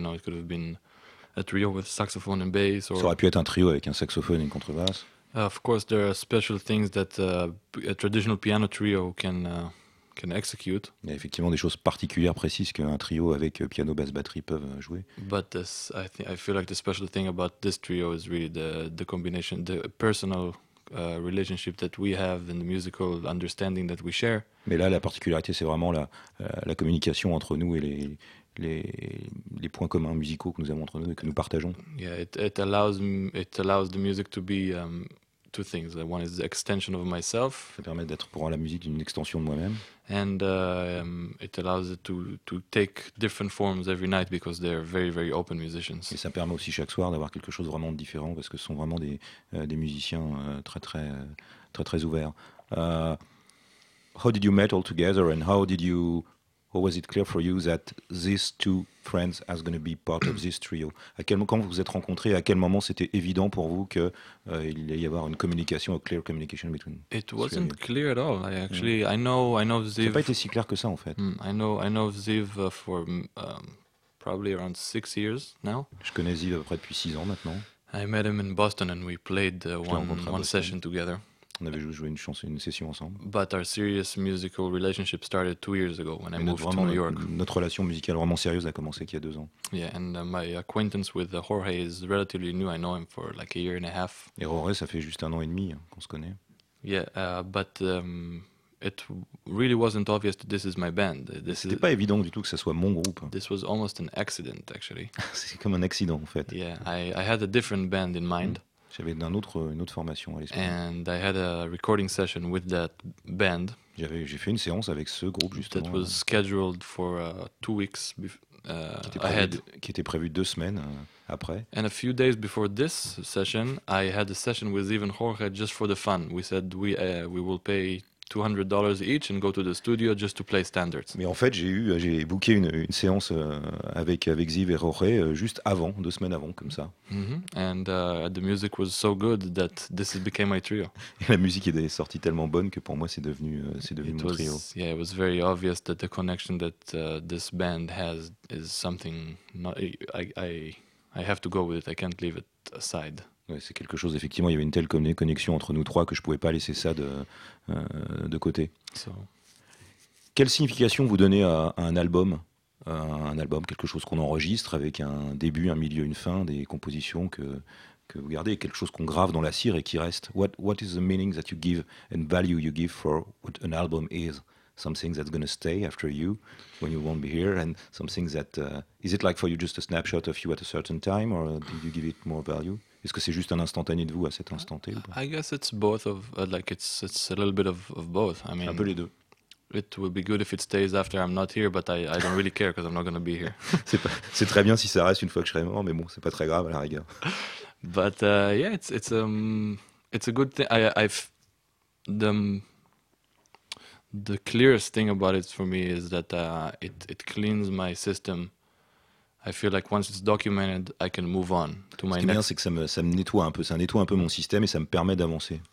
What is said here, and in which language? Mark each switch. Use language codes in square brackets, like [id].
[en] You know, it could have been a trio with saxophone and bass. [fr] Ça aurait pu être un trio avec un saxophone et une contrebasse. [en] Of course, there are special things that a traditional piano trio can execute. [fr] Il y a effectivement des choses particulières précises qu'un trio avec piano, basse, batterie peuvent jouer. [en] But this, I feel like the special thing about this trio is really the combination, the personal relationship that we have and the musical understanding that we share. [fr] Mais là, la particularité, c'est vraiment la communication entre nous et les les points communs musicaux que nous avons entre nous et que nous partageons. [en] Yeah, it allows the music to be two things. One is the extension of myself. [fr] Ça permet d'être pour la musique une extension de moi-même. [en] And it allows it to take different forms every night because they're very very open musicians. [fr] Et ça permet aussi chaque soir d'avoir quelque chose vraiment de différent parce que ce sont vraiment des musiciens très très très très ouverts. [en] How did you meet all together and how did you or was it clear for you that these two friends are going to be part of this trio? [fr] À quel moment vous êtes rencontrés, à quel moment c'était évident pour vous que il allait y avoir une communication, [en] a clear communication between? It wasn't clear at all. I know Ziv. [fr] C'est pas été si clair que ça en fait. [en] I know Ziv for probably around 6 years now. [fr] Je connais Ziv à peu près depuis 6 ans maintenant. [en] I met him in Boston and we played one session together. [fr] On avait joué une chanson, une session ensemble. [en] But our serious musical relationship started 2 years ago when [fr] Mais [en] I moved to New York. [fr] Notre relation musicale vraiment sérieuse a commencé il y a 2 ans. [en] Yeah, and my acquaintance with Jorge is relatively new. I know him for like a year and a half. [fr] Et Jorge, ça fait juste 1 an et demi qu'on se connaît. [en] Yeah, but it really wasn't obvious that this is my band. [fr] C'était pas évident du tout que ça soit mon groupe. [en] This was almost an accident, actually. [fr] C'est comme un accident en fait. [en] Yeah, I had a different band in mind. Mm. [fr] J'avais une autre formation à l'esprit. [en] And I had a recording session with that band. [fr] J'ai fait une séance avec ce groupe justement. [en] That was scheduled for 2 weeks ahead. [fr] Qui était prévu 2 semaines après. [en] And a few days before this session, I had a session with even Jorge just for the fun. We said we will pay $200 each and go to the studio just to play standards. [fr] Mais en fait, j'ai booké une séance avec Ziv et Jorge juste avant, 2 semaines avant, comme ça. Mm-hmm. [en] And the music was so good that this became my trio. [fr] La musique est sortie tellement bonne que pour moi, c'est devenu mon trio. [en] Yeah, it was very obvious that the connection that this band has is something not, I have to go with it. I can't leave it aside. [fr] Ouais, c'est quelque chose, effectivement, il y avait une telle connexion entre nous trois que je ne pouvais pas laisser ça de côté. [en] So. [fr] Quelle signification vous donnez à un album ? Un album, quelque chose qu'on enregistre avec un début, un milieu, une fin, des compositions que vous gardez, quelque chose qu'on grave dans la cire et qui reste. [en] What is the meaning that you give and value you give for what an album is? Something that's going to stay after you when you won't be here, and something that... is it like for you just a snapshot of you at a certain time, or do you give it more value? [fr] Est-ce que c'est juste un instantané de vous à cet instant T? [en] I guess it's both of like it's a little bit of both. I mean, [fr] un peu les deux. [en] It would be good if it stays after I'm not here, but I don't really care because I'm not going to be here. [fr] c'est très bien si ça reste une fois que je serai mort, mais bon, c'est pas très grave à la rigueur. [en] But yeah, it's a good thing. The clearest thing about it for me is that it cleans my system. I feel like once it's documented, I can move on to my next. [fr] Ce qui est bien, c'est que ça me nettoie un peu. Ça nettoie un peu mon système et ça me permet d'avancer.